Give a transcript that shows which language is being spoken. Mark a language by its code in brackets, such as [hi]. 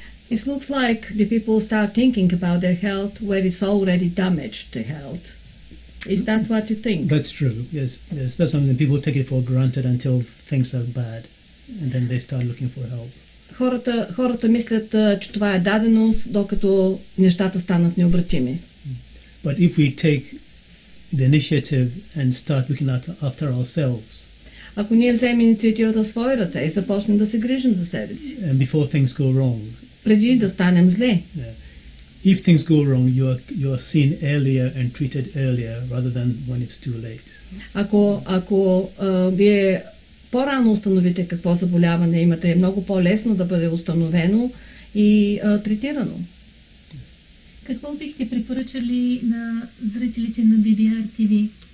[en] It looks like the people start thinking about their health where it's already damaged the health. Is that what you think? That's true, yes. Yes. That's something people take it for granted until things are bad and then they start looking for help. [bg] Хората мислят, че това е даденост, докато нещата станат необратими. [en] But if we take the initiative and start looking after ourselves, [bg] ако ние вземем инициативата в свои ръце и започнем да се грижим за себе си, [en] and before things go wrong, [bg] преди да станем зле. [en] Yeah. If things go wrong, you are seen earlier and treated earlier rather than when it's too late. [bg] Ако вие по-рано установите какво заболяване имате, е много по-лесно да бъде установено и третирано. [en] Yes. [bg] Какво бихте препоръчали на зрителите на BBR TV?